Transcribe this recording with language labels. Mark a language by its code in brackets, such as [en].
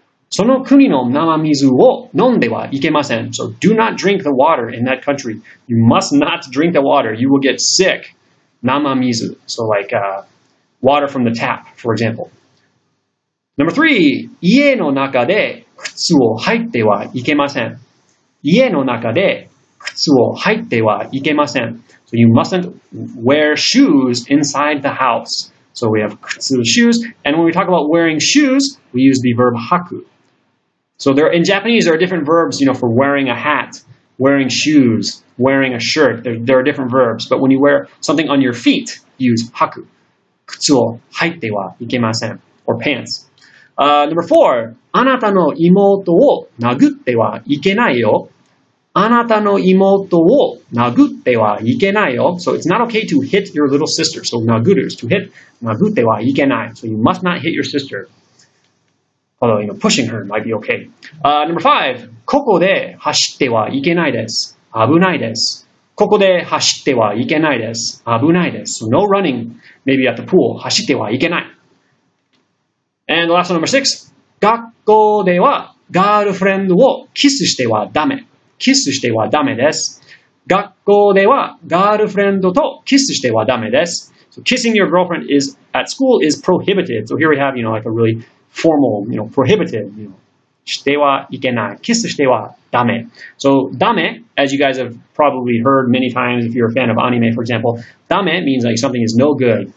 [ja] その国の生水を飲んではいけません。 [en] So do not drink the water in that country. You must not drink the water. You will get sick. 生水. So like water from the tap, for example. [ja] Number three, 家の中で靴を履いてはいけません。家の中で靴を履いてはいけません。 [en] So you mustn't wear shoes inside the house. So we have 靴, shoes. And when we talk about wearing shoes, we use the verb 履く. So there, in Japanese, there are different verbs, you know, for wearing a hat, wearing shoes, wearing a shirt. There are different verbs. But when you wear something on your feet, use 履く. [ja] 靴を履いてはいけません. [en] Or pants. Number four, [ja] あなたの妹を殴ってはいけないよ. あなたの妹を殴ってはいけないよ. [en] So it's not okay to hit your little sister. So 殴る is to hit. [ja] 殴ってはいけない. [en] So you must not hit your sister. Although, you know, pushing her might be okay. Number five, [ja] ここで走ってはいけないです。危ないです。ここで走ってはいけないです。危ないです。 [en] So no running, maybe at the pool. [ja] 走ってはいけない。 [en] And the last one, number six, [ja] 学校ではガールフレンドをキスしてはダメ。キスしてはダメです。学校ではガールフレンドとキスしてはダメです。 [en] So kissing your girlfriend is at school is prohibited. So here we have, you know, like a really formal, you know, prohibited, you know, [ja] してはいけない。キスしてはダメ。 [en] So ダメ, as you guys have probably heard many times if you're a fan of anime, for example, ダメ means like something is no good.